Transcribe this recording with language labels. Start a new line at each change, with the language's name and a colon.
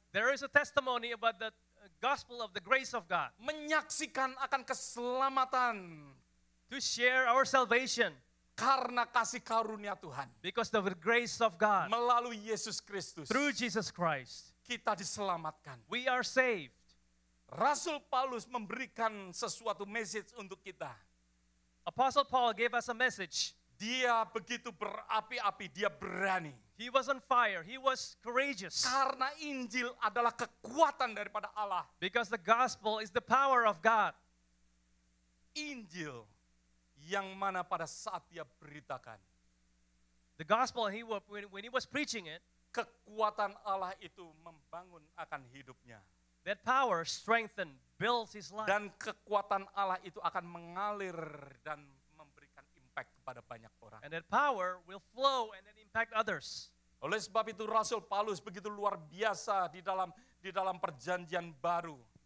English: There is a testimony about the gospel of the grace of God.
Indonesian: Menyaksikan akan keselamatan.
English: To share our salvation.
Indonesian: Karena kasih karunia Tuhan.
English: Because of the grace of God.
Indonesian: Melalui Yesus Kristus.
English: Through Jesus Christ.
Indonesian: Kita diselamatkan.
English: We are saved.
Indonesian: Rasul Paulus memberikan sesuatu message untuk kita.
English: Apostle Paul gave us a message.
Indonesian: Dia begitu berapi-api, dia berani.
English: He was on fire, he was courageous.
Indonesian: Karena Injil adalah kekuatan daripada Allah.
English: Because the gospel is the power of God.
Indonesian: Injil yang mana pada saat dia beritakan.
English: The gospel when he was preaching it,
Indonesian: kekuatan Allah itu membangun akan hidupnya.
English: That power strengthened, builds his life.
Indonesian: Dan kekuatan Allah itu akan mengalir dan memberikan impact kepada banyak orang.
English: And that power will flow and then impact others.
Indonesian: Oleh sebab itu Rasul Paulus begitu luar biasa di dalam Perjanjian Baru.